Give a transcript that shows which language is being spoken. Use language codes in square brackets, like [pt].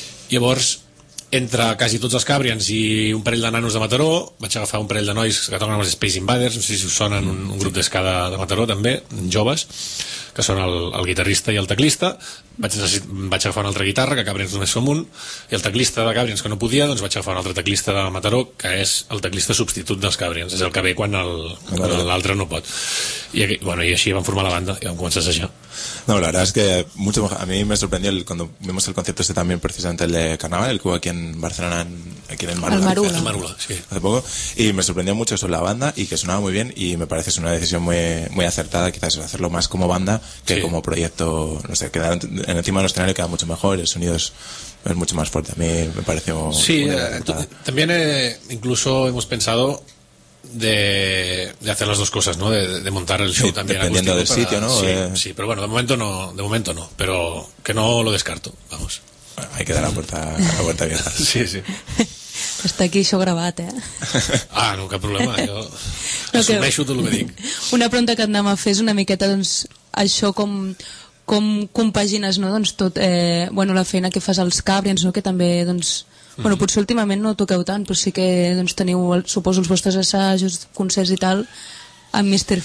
[ca] Llavors, entre quasi tots els Cabrians i un parell de nanos de Mataró, vaig agafar un parell de nois que toquen amb els Space Invaders, no sé si us sonen, un grup d'escada de Mataró també, joves, que són el guitarrista i el teclista, vaig agafar una altra guitarra, que Cabrians només som un, i el teclista de Cabrians, que no podia, doncs vaig agafar un altre teclista de Mataró, que és el teclista substitut dels Cabrians, és el que ve quan l'altre no pot. I, bueno, i així vam formar la banda, i vam començar a assajar. [es] No, la verdad es que mucho mejor. A mí me sorprendió cuando vimos el concierto este también, precisamente el de Carnaval, el que hubo aquí en Barcelona, aquí en el Marula, sí. Hace poco, y me sorprendió mucho eso, la banda, y que sonaba muy bien, y me parece que es una decisión muy, muy acertada, quizás hacerlo más como banda que sí. Como proyecto, no sé, quedar en encima del escenario queda mucho mejor, el sonido es mucho más fuerte. A mí me parece muy sí, también incluso hemos pensado de hacer las dos cosas, ¿no? De montar el show, sí, también dependiendo del sitio, ¿no? Sí, sí, pero bueno, de momento no, pero que no lo descarto, vamos. Bueno, hay que dar la puerta abierta. Sí, sí. [ca] Està aquí això gravat, eh? Ah, no, cap problema, jo assumeixo tot el que dic. Una pregunta que anem a fer és una miqueta, doncs, això com compagines, no?, doncs tot, bueno, la feina que fas als Cabrians, no?, que també, doncs, bueno, potser últimament no toqueu tant, però sí que doncs, teniu, suposo, els vostres assajos, concerts i tal, amb Mr.